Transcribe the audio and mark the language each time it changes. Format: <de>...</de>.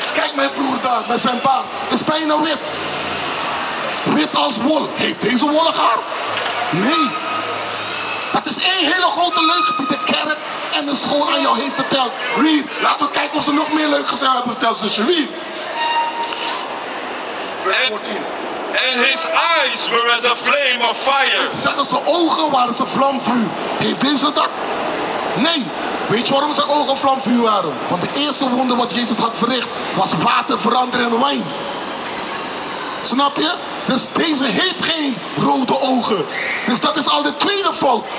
<nl>Kijk mijn broer daar, met zijn baard. Is bijna wit. Wit als wol. Heeft deze wollig haar? Nee. Dat is één hele grote leugen die de kerk en de school aan jou heeft verteld. Read. Laten we kijken of ze nog meer leugens hebben verteld, zusje. Read. Vers 14.</nl> <en>And his eyes were as a flame of fire.</en> <nl>Ze zeggen, zijn ogen waren als een vlamvuur. Heeft deze dat? Nee. Weet je waarom zijn ogen vlamvuur waren? Want de eerste wonder wat Jezus had verricht was water veranderen in wijn. Snap je? Dus deze heeft geen rode ogen. Dus dat is al de tweede fout.</nl>